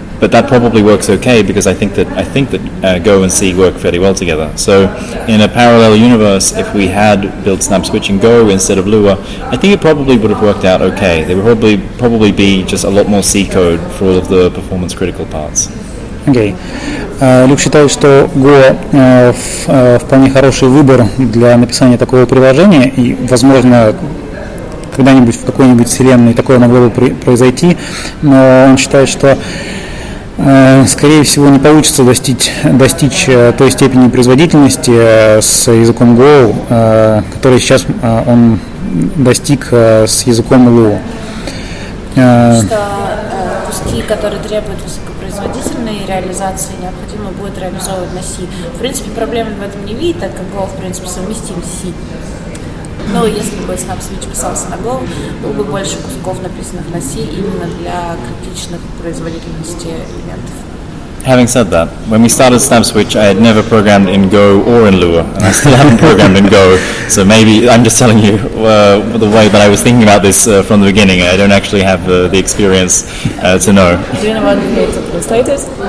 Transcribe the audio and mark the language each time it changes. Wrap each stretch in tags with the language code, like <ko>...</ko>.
<en>But that probably works okay because I think that Go and C work fairly well together. So in a parallel universe, if we had built Snap Switch in Go instead of Lua, I think it probably would have worked out okay. There would probably be just a lot more C code for all of the performance critical parts. Okay.</en> <ru>Люк считает, что Go вполне хороший выбор для написания такого приложения, и, возможно, когда-нибудь в какой-нибудь вселенной такое могло бы произойти, но он считает, что, скорее всего, не получится достичь той степени производительности с языком Go, который сейчас он достиг с языком Lua. Что куски, которые требуют производительной реализации, необходимо будет реализовывать на C. В принципе, проблемы в этом не видит, так как Go, в принципе, совместим с C. Но если бы Snap Switch писался на Go, было бы больше кусков, написанных на C, именно для критичных производительности элементов.</ru> <en>Having said that, when we started Snap Switch, I had never programmed in Go or in Lua, and I still haven't programmed in Go, so maybe I'm just telling you the way that I was thinking about this from the beginning. I don't actually have the experience to know. Do you know what the status?</en>